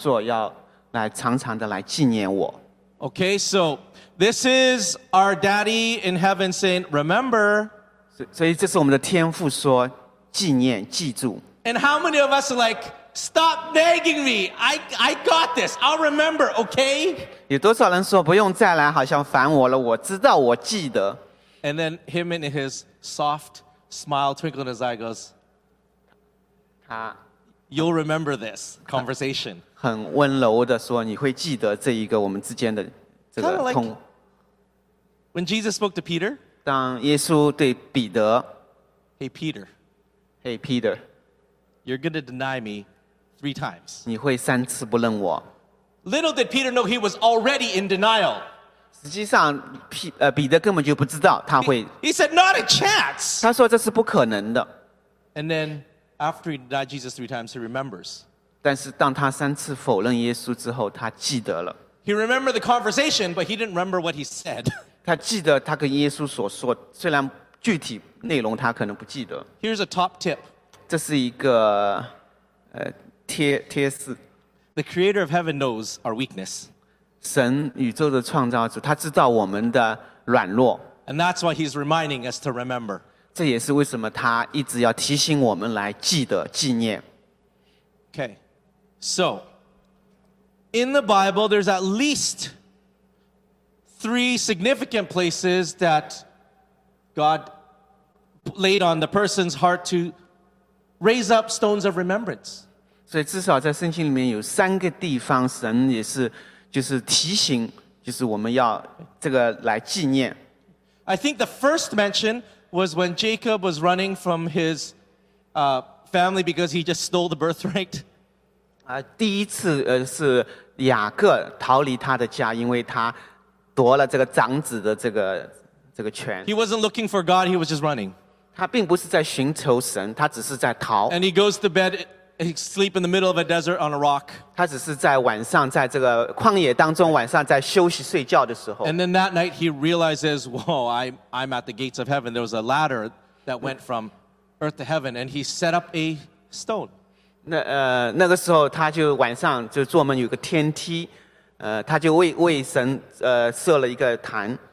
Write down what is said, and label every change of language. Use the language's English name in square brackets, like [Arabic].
[Chinese] 这个杯是立约的血，就是你们这样做，要来常常的来纪念我。 [English] Okay, so this is our daddy in heaven saying, remember. [Chinese] 所以这是我们的天父说，纪念，记住。 [English] And how many of us are like, stop nagging me. I got this. I'll remember, okay? [Chinese] 有多少人说不用再来，好像烦我了，我知道，我记得。 [English] And then him in his soft smile, twinkle in his eye goes, you'll remember this conversation. [Chinese] 很温柔的说，你会记得这一个我们之间的这个通。 [English] Kind of like when Jesus spoke to Peter, [Chinese] 当耶稣对彼得 [English] Hey Peter, you're going to deny me 3 times. [Chinese] 你会三次不认我。 [English] Little did Peter know he was already in denial. [Chinese] 实际上彼得根本就不知道他会。 [English] He said, not a chance. [Chinese] 他说这是不可能的。 [English] And then after he denied Jesus 3 times, he remembers. [Chinese] 但是当他三次否认耶稣之后他记得了。 [English] He remembered the conversation, but he didn't remember what he said. [Chinese] 他记得他跟耶稣所说虽然具体内容他可能不记得。 [English] Here's a top tip. [Chinese] 这是一个贴士。 [English] The creator of heaven knows our weakness. [Chinese] 神宇宙的创造主他知道我们的软弱。 [English] And that's why he's reminding us to remember. [Chinese] 这也是为什么他一直要提醒我们来记得纪念。 [English] Okay, so in the Bible there's at least 3 significant places that God laid on the person's heart to raise up stones of remembrance. [Chinese] 所以至少在圣经里面有三个地方神也是就是提醒就是我们要这个来纪念。 [English] I think the first mention was when Jacob was running from his family because he just stole the birthright. [Chinese] 第一次是雅各逃离他的家因为他夺了这个长子的这个权。 [English] He wasn't looking for God, he was just running. [Chinese] 他并不是在寻求神他只是在逃。 [English] And he goes to bed, he sleep in the middle of a desert on a rock. [Chinese] 他只是在晚上在这个旷野当中晚上在休息睡觉的时候。 [English] And then that night he realizes, whoa, I'm at the gates of heaven. There was a ladder that went from earth to heaven and he set up a stone. [Chinese] 那个时候他就晚上就做梦有个天梯他就为神设了一个坛。